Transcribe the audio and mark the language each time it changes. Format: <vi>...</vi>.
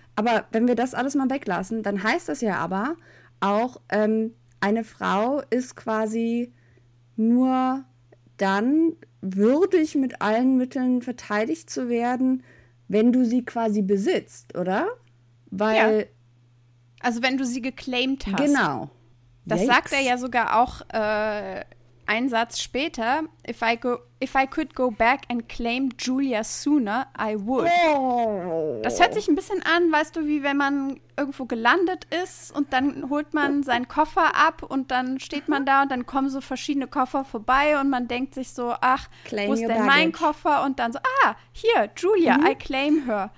<de>Aber wenn wir das alles mal weglassen, dann heißt das ja aber auch, eine Frau ist quasi nur dann würdig, mit allen Mitteln verteidigt zu werden, wenn du sie quasi besitzt, oder? Weil. Ja. Also wenn du sie geclaimed hast. Genau. Das sagt er ja sogar auch einen Satz später.</de> <en>If I could go back and claim Julia sooner, I would. Oh.</en> <de>Das hört sich ein bisschen an, weißt du, wie wenn man irgendwo gelandet ist und dann holt man seinen Koffer ab und dann steht man da und dann kommen so verschiedene Koffer vorbei und man denkt sich so, ach, claim, wo ist denn mein Koffer? Und dann so, ah, hier, Julia,</de> <en>I claim her.</en>